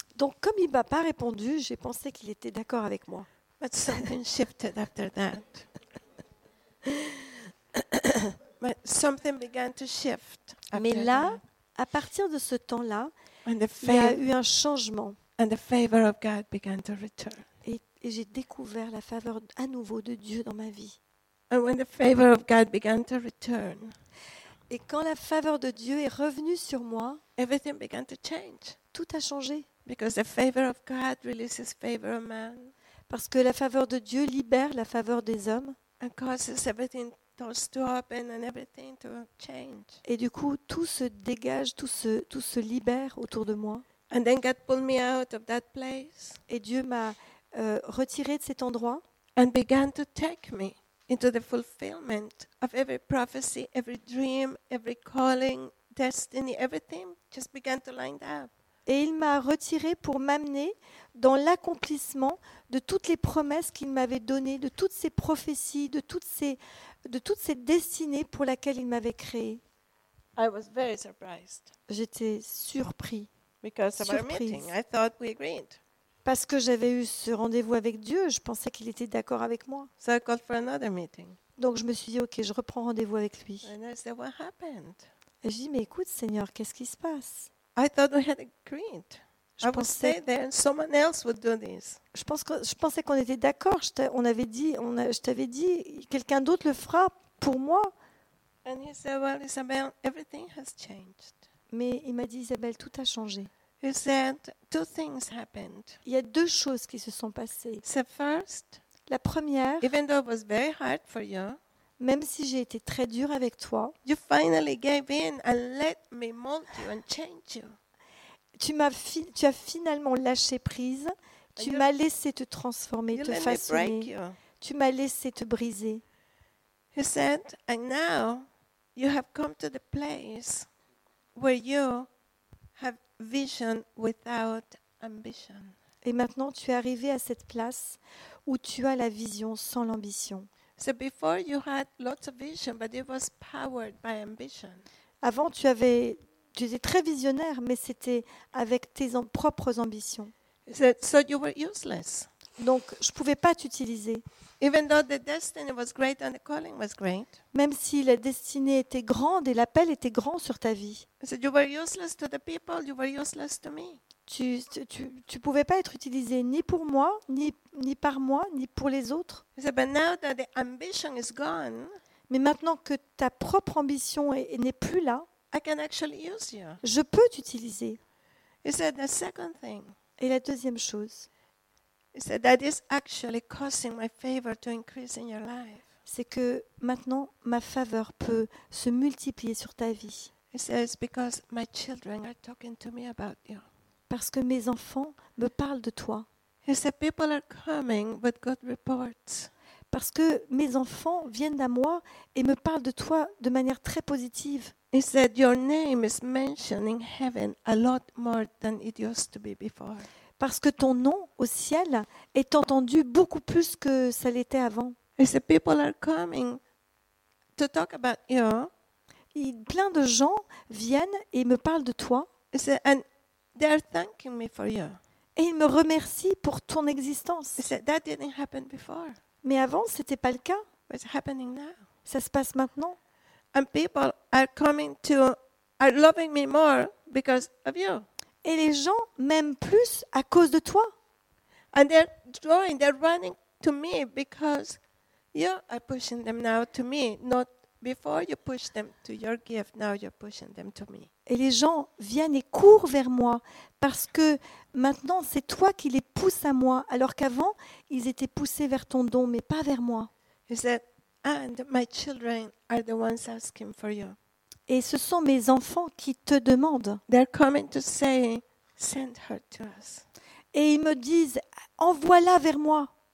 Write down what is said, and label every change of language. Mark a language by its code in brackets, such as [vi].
[fr] Donc, comme il ne m'a pas répondu, j'ai pensé qu'il était d'accord avec moi. [en] But something shifted after that. But something began to shift. [fr] Mais là, à partir de ce temps-là, il y a eu un changement. [en] And the favor of God began to return. [fr] Et j'ai découvert la faveur à nouveau de Dieu dans ma vie. [en] And when the favor of God began to return, [fr] et quand la faveur de Dieu est revenue sur moi, [en] everything began to change. [fr] Tout a changé. [en] Because the favor of God releases favor of man. [fr] Parce que la faveur de Dieu libère la faveur des hommes. [en] And causes everything to stop and everything to change. [fr] Et du coup, tout se dégage, tout se libère autour de moi. [en] And then God pulled me out of that place. [fr] Et Dieu m'a retiré de cet endroit. [en] And began to take me into the fulfillment of every prophecy, every dream, every calling, destiny, everything just began to line up. [fr] Et il m'a retiré pour m'amener dans l'accomplissement de toutes les promesses qu'il m'avait données, de toutes ces prophéties, de toutes ces destinées pour laquelle il m'avait créé. [en] I was very surprised. [fr] J'étais surpris. [en] Because of our meeting, I thought we agreed. [fr] Parce que j'avais eu ce rendez-vous avec Dieu, je pensais qu'il était d'accord avec moi. [en] So I called for another meeting. [fr] Donc je me suis dit, ok, je reprends rendez-vous avec lui. [en] And I said, what happened? [fr] Et je dis, mais écoute Seigneur, qu'est-ce qui se passe? [en] I thought we had agreed. I would stay there and someone else would do this. [fr] Je pensais qu'on était d'accord. Je t'avais dit, quelqu'un d'autre le fera pour moi. [en] And he said, well, Isabel, everything has changed. [fr] Mais il m'a dit, Isabelle, tout a changé. [en] He said, two things happened. [fr] Il y a deux choses qui se sont passées. [en] So first, [fr] la première, [en] even though it was very hard for you, [fr] même si j'ai été très dure avec toi, [en] you finally gave in and let me mold you and change you. [fr] Tu as finalement lâché prise. Tu m'as laissé te transformer, te façonner. Tu m'as laissé te briser. [en] He said, and now you have come to the place where you have vision without ambition. [fr] Et maintenant, tu es arrivé à cette place où tu as la vision sans l'ambition. [en] So before you had lots of vision, but it was powered by ambition. [fr] Avant, tu étais très visionnaire, mais c'était avec tes propres ambitions. [en] So you were useless. [fr] Donc, je pouvais pas t'utiliser. [en] Even though the destiny was great and the calling was great. [fr] Même si la destinée était grande et l'appel était grand sur ta vie. [en] So you were useless to the people. You were useless to me. [fr] Tu pouvais pas être utilisé ni pour moi, ni par moi, ni pour les autres. [en] But now that the ambition is gone, [fr] mais maintenant que ta propre ambition n'est plus là, [en] I can actually use you. [fr] Je peux t'utiliser. [en] The second thing, [fr] et la deuxième chose, [en] that is actually causing my favor to increase in your life. [fr] C'est que maintenant ma faveur peut se multiplier sur ta vie. [en] It's because my children are talking to me about you. [fr] Parce que mes enfants me parlent de toi. [en] He said, people are coming with good reports. [fr] Parce que mes enfants viennent à moi et me parlent de toi de manière très positive. [en] He said, your name is mentioned in heaven a lot more than it used to be before. [fr] Parce que ton nom au ciel est entendu beaucoup plus que ça l'était avant. [en] He said, people are coming to talk about you. [fr] Plein de gens viennent et me parlent de toi. [en] He said, and they are thanking me for you. [fr] Et ils me remercient pour ton existence. [en] He said, that didn't happen before. [fr] Mais avant, ce n'était pas le cas. [en] It's happening now. [fr] Ça se passe maintenant. [en] And people are coming to, are loving me more because of you. [fr] Et les gens m'aiment plus à cause de toi. [en] And they're drawing, they're running to me because you are pushing them now to me, not before you pushed them to your gift, now you're pushing them to me. [fr] Et les gens viennent et courent vers moi parce que maintenant c'est toi qui les pousses à moi, alors qu'avant ils étaient poussés vers ton don, mais pas vers moi. [en] He said, and my children are the ones asking for you. [fr] Et ce sont mes enfants qui te demandent. [en] They're coming to say, send her to us. [fr] Et ils me disent, envoie-la vers moi.